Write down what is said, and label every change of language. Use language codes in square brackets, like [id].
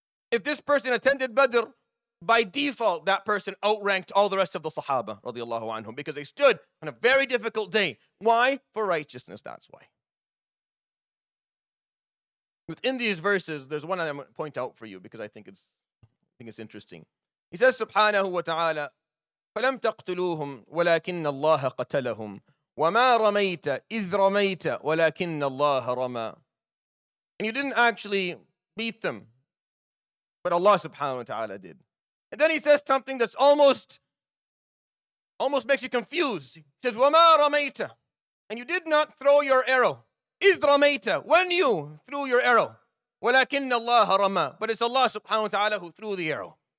[en] If this person attended Badr, by default, that person outranked all the rest of the Sahaba, radiallahu anhum, because they stood on a very difficult day. Why? For righteousness, that's why. Within these verses, there's one I'm going to point out for you, because I think it's interesting. He says, [ar] "Subhanahu wa Taala, فَلَمْ تَقْتُلُوهُمْ وَلَكِنَّ اللَّهَ قَتَلَهُمْ وَمَا رَمَيْتَ إِذْ رَمَيْتَ وَلَكِنَّ اللَّهَ رَمَى." [en] And you didn't actually beat them, but Allah Subhanahu wa Taala did. And then he says something that's almost makes you confused. He says, [ar] "وَمَا رَمَيْتَ," [en] and you did not throw your arrow. [ar] "إِذْ رَمَيْتَ," [en] when you threw your arrow. [ar] وَلَكِنَّ اللَّهَ رَمَى, [en] but it's Allah subhanahu wa ta'ala who threw the arrow.